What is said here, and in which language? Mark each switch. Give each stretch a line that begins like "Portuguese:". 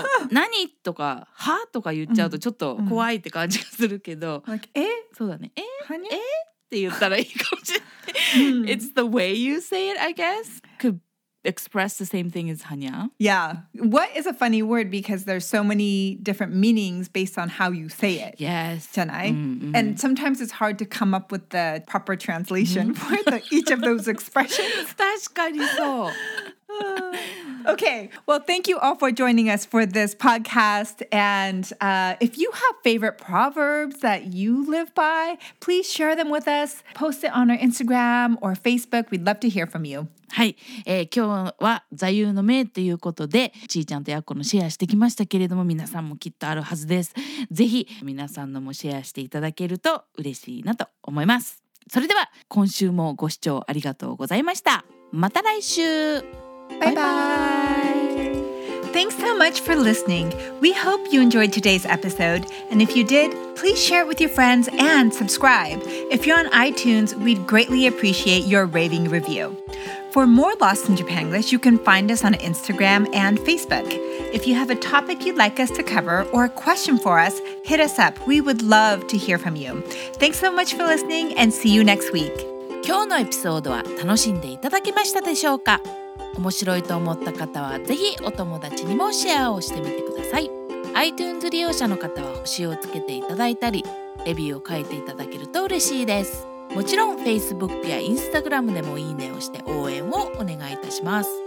Japanese: 何とか、huh とか言っちゃうとちょっと怖いって感じがするけど。
English: Like, え?
Japanese: そうだね。え? はにゃ? え? って言ったらいいかもしれない。
English: It's the way you say it, I guess. Could express the same thing as はにゃ? Yeah. What is a funny word? Because there's so many different meanings based on how you say it. Yes.
Japanese: じゃない?
English: And sometimes it's hard to come up with the proper translation for each of those expressions.
Japanese: 確かにそう。
English: Okay. Well, thank you all for joining us for this podcast. And if you have favorite proverbs that you live by, please share them with us. Post it on our Instagram or Facebook. We'd love to hear from you.
Japanese: はい、今日は座右の銘ということでちーちゃんとやっこのシェアしてきましたけれども皆さんもきっとあるはずですぜひ皆さんのもシェアしていただけると嬉しいなと思いますそれでは今週もご視聴ありがとうございましたまた来週バイバイ
English: Thanks so much for listening We hope you enjoyed today's episode And if you did, please share it with your friends and subscribe If you're on iTunes, we'd greatly appreciate your raving reviewFor more Lost in Japanglish, you can find us on Instagram and Facebook. If you have a topic you'd like us to cover or a question for us, hit us up. We would love to hear from you. Thanks so much for listening and see you next week.
Japanese: 今日のエピソードは楽しんでいただけましたでしょうか?面白いと思った方はぜひお友達にもシェアをしてみてください。 iTunes 利用者の方は星をつけていただいたり、レビューを書いていただけると嬉しいです。もちろん Facebook や Instagram でもいいねをして応援をお願いいたします。